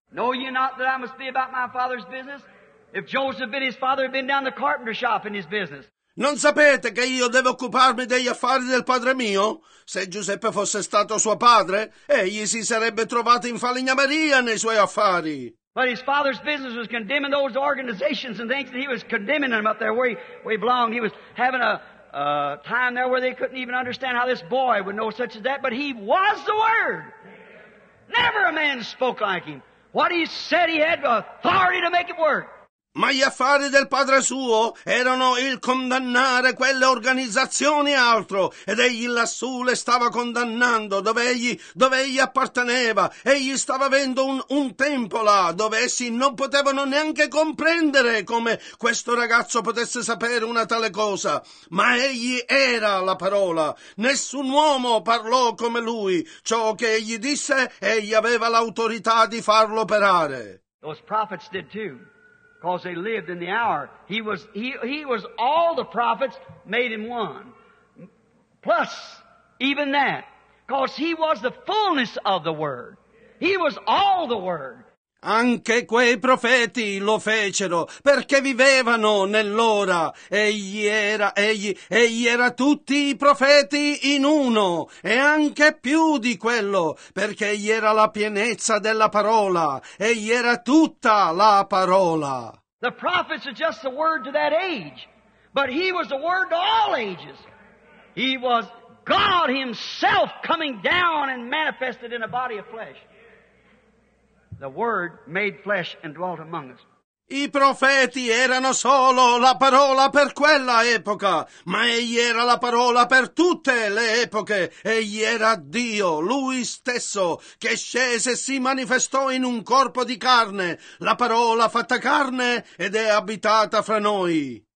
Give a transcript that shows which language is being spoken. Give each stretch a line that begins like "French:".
English: Know ye not that I must be about my father's business? If Joseph and his father had been down the carpenter shop in his business.
Italian: Non sapete che io devo occuparmi degli affari del padre mio? Se Giuseppe fosse stato suo padre, egli si sarebbe trovato in falegnameria nei suoi affari.
English: But his father's business was condemning those organizations and things, and he was condemning them up there where he belonged. He was having a time there where they couldn't even understand how this boy would know such as that, but he was the Word. Never a man spoke like him. What he said, he had authority to make it work.
Italian: Ma gli affari del padre suo erano il condannare quelle organizzazioni e altro, ed egli lassù le stava condannando dove egli apparteneva. Egli stava avendo un tempo là dove essi non potevano neanche comprendere come questo ragazzo potesse sapere una tale cosa. Ma egli era la parola. Nessun uomo parlò come lui. Ciò che egli disse, egli aveva l'autorità di farlo operare.
English: Those prophets did too. Because they lived in the hour. He was all the prophets made in one. Plus, even that. Because he was the fullness of the Word. He was all the Word.
Italian: Anche quei profeti lo fecero, perché vivevano nell'ora. Egli era tutti i profeti in uno, e anche più di quello, perché egli era la pienezza della parola, egli era tutta la parola.
English: The prophets are just the word to that age, but he was the word to all ages. He was God himself coming down and manifested in a body of flesh. The Word made flesh and dwelt among us.
Italian: I profeti erano solo la parola per quella epoca, ma egli era la parola per tutte le epoche. Egli era Dio, lui stesso, che scese e si manifestò in un corpo di carne, la parola fatta carne ed è abitata fra noi.